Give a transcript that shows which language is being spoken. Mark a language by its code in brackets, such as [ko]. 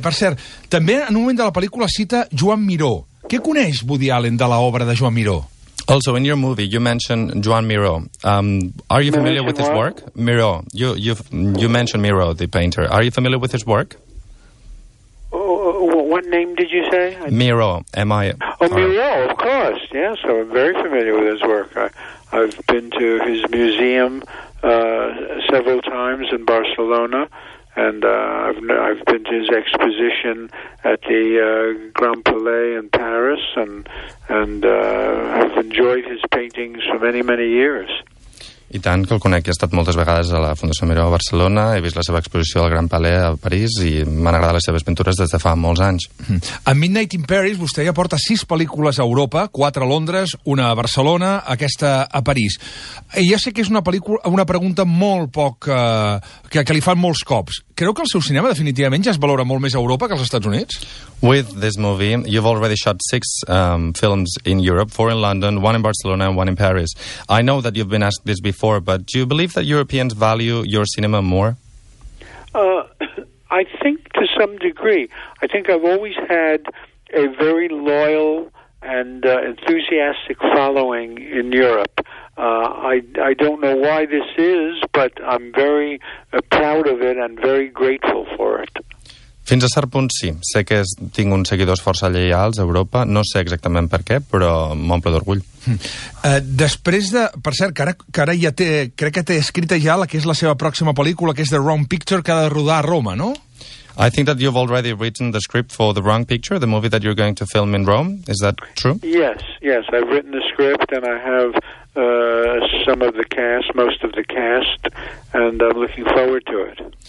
[ca] Per cert, també en un moment de la pel·lícula cita Joan Miró. Què coneix Woody Allen de l'obra de Joan Miró? [en] Also, in your movie, you mentioned Joan Miró. Are you familiar with his work? Miró. You mentioned Miró, the painter. Are you familiar with his work? What name did you say? Miró. M-I-R-O. Oh, Miró, of course. Yes, I'm very familiar with his work. I've been to his museum several times in Barcelona, and I've been to his exposition at the Grand Palais in Paris, and I've enjoyed his paintings for many, many years. [ca] I tant que el conec, he estat moltes vegades a la Fundació Miró a Barcelona, he vist la seva exposició al Grand Palais a París i m'han agradat les seves pintures des de fa molts anys. A Midnight in Paris vostè ja porta 6 pel·lícules a Europa, 4 a Londres, una a Barcelona, aquesta a París. I ja sé que és una pel·lícula, una pregunta molt poc, que li fan molts cops. Creu que el seu cinema definitivament ja es valora molt més a Europa que als Estats Units? [en] With this movie, you've already shot 6 films in Europe, 4 in London, 1 in Barcelona and 1 in Paris. I know that you've been asked this before, but do you believe that Europeans value your cinema more? I think to some degree. I think I've always had a very loyal and enthusiastic following in Europe. I don't know why this is, but I'm very proud of it and very grateful for it. [ca] Fins a cert punt, sí. Sé que tinc uns seguidors força lleials a Europa, no sé exactament per què, però m'omple d'orgull. Després de... Per cert, que ara ja té... Crec que té escrita ja la que és la seva pròxima pel·lícula, que és The Wrong Picture, que ha de rodar a Roma, no? [en] I think that you've already written the script for The Wrong Picture, the movie that you're going to film in Rome. Is that true? Yes. I've written the script and I have some of the cast, most of the cast, and I'm looking forward to it.